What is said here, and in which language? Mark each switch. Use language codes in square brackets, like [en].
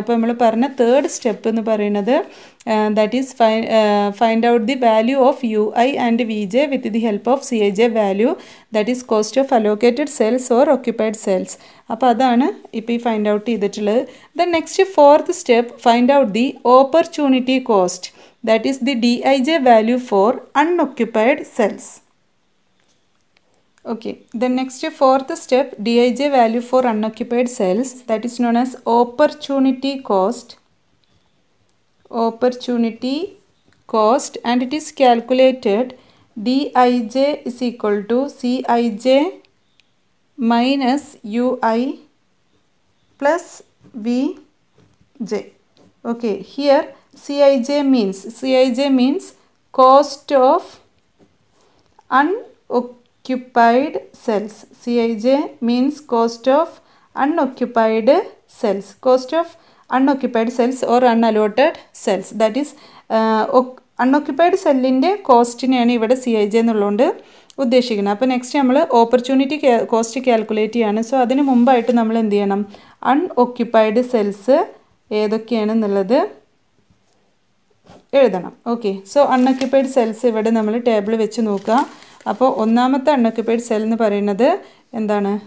[ml] അപ്പോൾ നമ്മൾ പറഞ്ഞ തേർഡ് സ്റ്റെപ്പ് എന്ന് പറയുന്നത് [en] That is find out the value of UI and VJ with the help of CIJ value, that is cost of allocated cells or occupied cells. [ml] അപ്പോൾ അതാണ് ഇപ്പോൾ ഈ ഫൈൻഡ് ഔട്ട് ചെയ്തിട്ടുള്ളത്. [en] Then next fourth step, find out the opportunity cost, that is the DIJ value for unoccupied cells. Okay, then next fourth step, DIJ value for unoccupied cells, that is known as opportunity cost. Opportunity cost, and it is calculated DIJ is equal to CIJ minus UI plus VJ. Okay, here CIJ means cost of unoccupied cells. CIJ means cost of unoccupied cells. Cost of unoccupied cells or unallotted cells. That is unoccupied cell in the cost in any way CIJ in the loan. [ml] ഉദ്ദേശിക്കുന്നത് അപ്പോൾ next നമ്മൾ opportunity cost calculate ചെയ്യാണ്. So അതിന് മുമ്പായിട്ട് നമ്മൾ എന്ത് ചെയ്യണം? Unoccupied cells ഏതൊക്കെയാണെന്നുള്ളത് എഴുതണം. ഓക്കെ, സോ അൺഒക്യുപ്പൈഡ് സെൽസ് ഇവിടെ നമ്മൾ ടേബിൾ വെച്ച് നോക്കുക. അപ്പോൾ ഒന്നാമത്തെ അൺഒക്യുപ്പൈഡ് സെൽ എന്ന് പറയുന്നത് എന്താണ്?